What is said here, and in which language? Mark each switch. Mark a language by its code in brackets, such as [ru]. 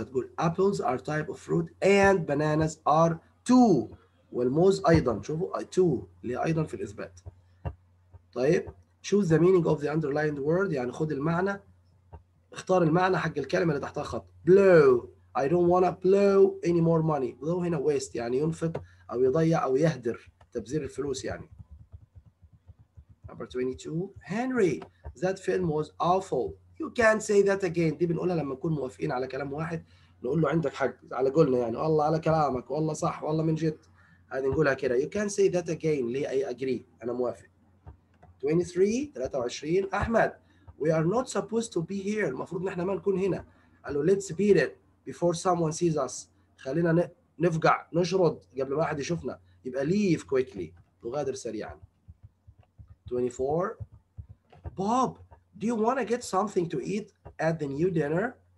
[en] هتقول apples are type of fruit and bananas are two. [ar] والموز أيضا. شوفوا two اللي أيضا في الإثبات. [en] طيب choose the meaning of the underlined word. [ar] يعني خد المعنى. اختار المعنى حق الكلمة اللي تحتها خط. [en] Blow. I don't wanna blow any more money. [ar] Blow هنا waste يعني ينفق أو يضيع أو يهدر. تبذير الفلوس يعني. Number 22. Henry. [en] That film was awful. You can't say that again. [ar] دي بنقولها لما نكون موافقين على كلام واحد. نقول له عندك حق. على قولنا يعني. والله على كلامك. والله صح. والله من جد. هذه نقولها كده. [en] You can't say that again. [ar] ليه أي agree. أنا موافق. 23. أحمد. [en] We are not supposed to be here. [ar] المفروض نحن ما نكون هنا. قالوا [en] let's beat it before someone sees us. [ar] خلينا نفقع نشرد قبل ما أحد يشوفنا. يبقى [en] leave quickly. [ar] نغادر سريعا. 24. [en] Bob, do you want to get something to eat at the new dinner?